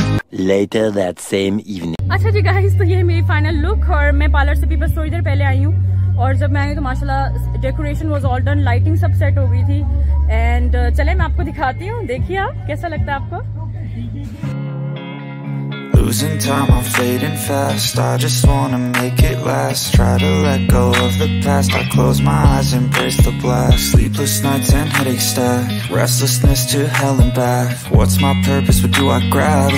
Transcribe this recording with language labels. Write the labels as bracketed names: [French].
[English] Later that same evening. [Hindi] अच्छा जी guys, तो ये मेरी फाइनल लुक और मैं पार्लर से भी बस थोड़ी देर पहले आई हूँ. और जब मैं आई तो माशाल्लाह decoration [English] was all done, [Hindi] lighting सब सेट हो गई थी. एंड चले मैं आपको दिखाती हूँ, देखिए आप कैसा लगता है आपको. [English] Losing time, I'm fading fast. I just wanna make it last. Try to let go of the past. I close my eyes, embrace the blast. Sleepless nights and headache stack. Restlessness to hell and back. What's my purpose? What do I grab?